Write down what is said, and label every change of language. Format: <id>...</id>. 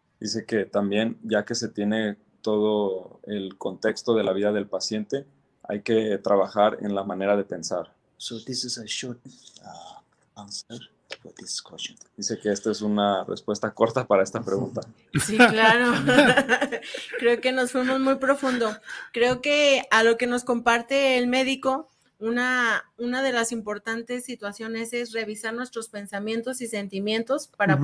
<es>Dice que también, ya que se tiene todo el contexto de la vida del paciente, hay que trabajar en la manera de pensar.</es> <en>So this is a short answer for this question.</en> <es>Dice que esta es una respuesta corta para esta pregunta. Sí, claro. Creo que nos fuimos muy profundo. Creo que a lo que nos comparte el médico, Una de las importantes situaciones es revisar nuestros pensamientos y sentimientos para uh-huh.</es>